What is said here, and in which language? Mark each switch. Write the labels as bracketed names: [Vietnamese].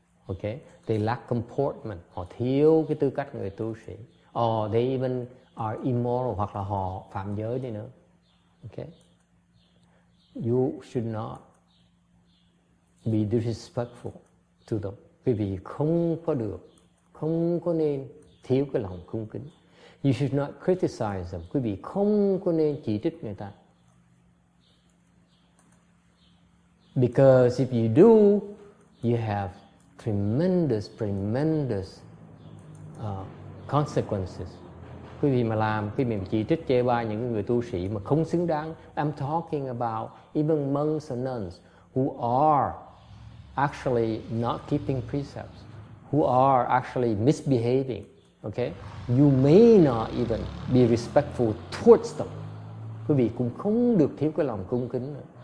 [English] Okay, they lack comportment, [Vietnamese] họ thiếu cái tư cách người tu sĩ, [English] or they even are immoral, [Vietnamese] hoặc là họ phạm giới đi nữa. [English] Okay, you should not be disrespectful to them. [Vietnamese] Quý vị không có được, không có nên thiếu cái lòng cung kính. [English] You should not criticize them. [Vietnamese] Quý vị không có nên chỉ trích người ta. [English] Because if you do, you have tremendous, tremendous consequences. [Vietnamese] Quý vị mà làm, quý vị chỉ trích chê bai những người tu sĩ mà không xứng đáng. [English] I'm talking about even monks and nuns who are actually not keeping precepts, who are actually misbehaving. Okay? You may not even be respectful towards them. [Vietnamese] Quý vị cũng không được thiếu cái lòng cung kính nữa.